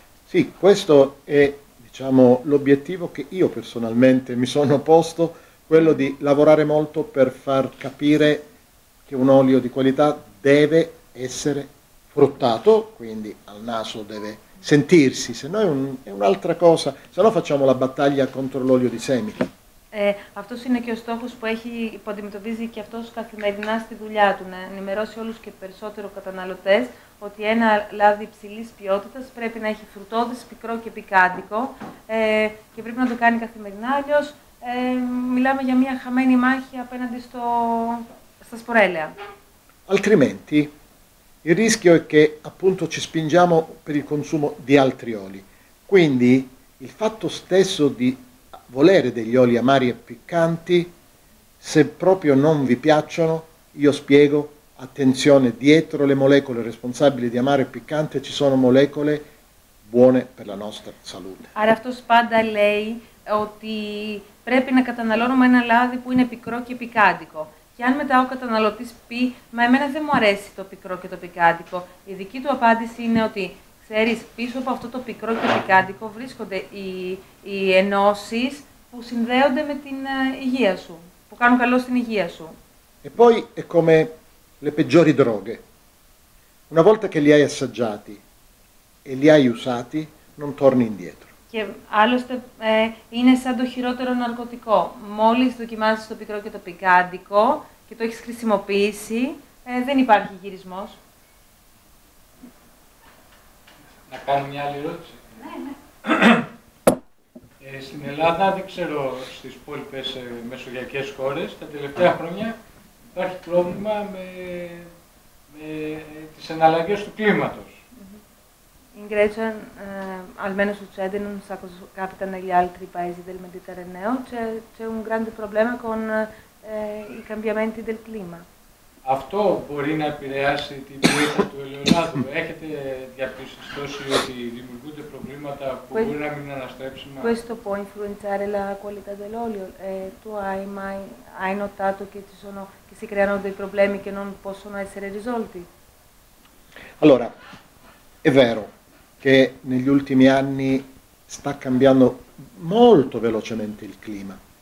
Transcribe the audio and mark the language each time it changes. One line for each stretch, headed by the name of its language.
Italian: Sì, questo è, diciamo, l'obiettivo che io personalmente mi sono posto, quello di lavorare molto per far capire che un olio di qualità deve essere fruttato, quindi al naso deve sentirsi, se no è un'altra cosa, se no facciamo la battaglia contro l'olio di semi.
Greek: Αυτός είναι και ο στόχος που αντιμετωπίζει και αυτός καθημερινά στη δουλειά του, να ενημερώσει όλους και περισσότερο καταναλωτές ότι ένα λάδι υψηλής ποιότητας πρέπει να έχει φρουτώδες, πικρό και πικάντικο και πρέπει να το κάνει καθημερινά, αλλιώς μιλάμε για μια χαμένη μάχη απέναντι στα σπορέλαια.
Italian: Altrimenti, il rischio è che appunto ci spingiamo per il consumo di altri oli. Quindi, il fatto stesso di volere degli oli amari e piccanti, se proprio non vi piacciono, io spiego, attenzione, dietro le molecole responsabili di amaro e piccante ci sono molecole buone per la nostra salute.
Greek: Αυτό πάντα λέει ότι πρέπει να καταναλώνουμε ένα λάδι που είναι πικρό και πικάντικο. Και αν μετά ο καταναλωτής πει, μα εμένα δεν μου αρέσει το πικρό και το πικάντικο, η δική του απάντηση είναι ότι, ξέρεις, πίσω από αυτό το πικρό και το πικάντικο βρίσκονται οι ενώσεις που συνδέονται με την υγεία σου, που κάνουν καλό στην υγεία σου.
Italian: E poi è come le peggiori droghe. Una volta che li hai assaggiati e li hai usati, non torni indietro.
Greek: Και άλλωστε είναι σαν το χειρότερο ναρκωτικό. Μόλις δοκιμάσεις το πικρό και το πικάντικο και το έχεις χρησιμοποιήσει, δεν υπάρχει γυρισμός. Να κάνω μια άλλη ερώτηση. Ναι, ναι. Στην Ελλάδα, δεν ξέρω, στις υπόλοιπες μεσογειακές χώρες, τα τελευταία χρόνια υπάρχει πρόβλημα με τις εναλλαγές του κλίματος.
Italian: In Grecia, almeno succede, non so cosa capita negli altri paesi del Mediterraneo, c'è un grande problema con i cambiamenti del clima.
Greek: Αυτό μπορεί να επηρεάσει την ποιότητα του ελαιολάδου. Έχετε διαπιστώσει ότι δημιουργούνται προβλήματα που μπορεί να μην αναστρέψουμε.
Italian: Questo può influenzare la qualità dell'olio. Tu hai notato che si creano dei problemi che non possono essere risolti? Allora, è vero che negli ultimi anni sta cambiando molto velocemente il clima.